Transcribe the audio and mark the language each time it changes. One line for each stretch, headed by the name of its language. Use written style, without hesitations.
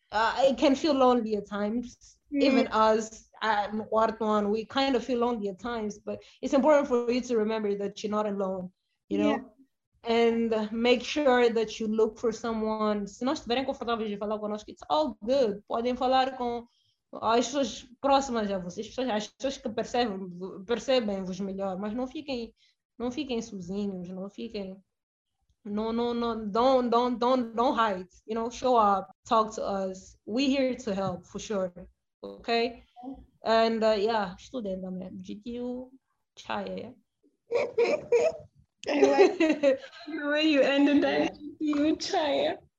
English: It can feel lonely at times, even us at
Portuguese: quarto ano,
English: we kind of feel lonely at times, but it's important for you to remember that you're not alone, you know? Yeah. And make sure that you look for someone.
Portuguese: Se não estiverem confortáveis de falar conosco,
English: it's all good.
Portuguese: Podem falar com as pessoas próximas a vocês, as pessoas que percebem-vos melhor, mas não fiquem sozinhos, não fiquem...
English: No, don't hide, you know, show up, talk to us. We're here to help for sure. Okay. And student, I mean, GTU, Chaya. I like the way you ended that, GTU, Chaya.